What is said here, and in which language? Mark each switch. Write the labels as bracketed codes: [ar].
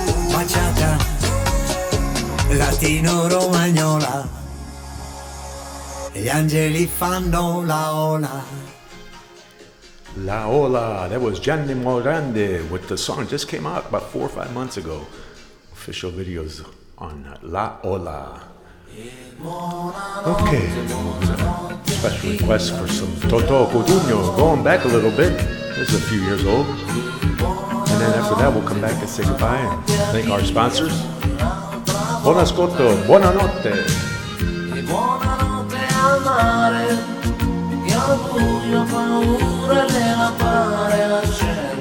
[it] Bachata latino romagnola, gli angeli fanno la ola. [en] La ola, that was Gianni Morandi with the song, just came out about 4 or 5 months ago. Official videos on La Ola. Okay, special request for some Totò Cutugno, going back a little bit. This is a few years old. And then after that, we'll come back and say goodbye and thank our sponsors. [it] Buon ascolto, buonanotte. E buonanotte al mare, che al buio paura le appare la scale.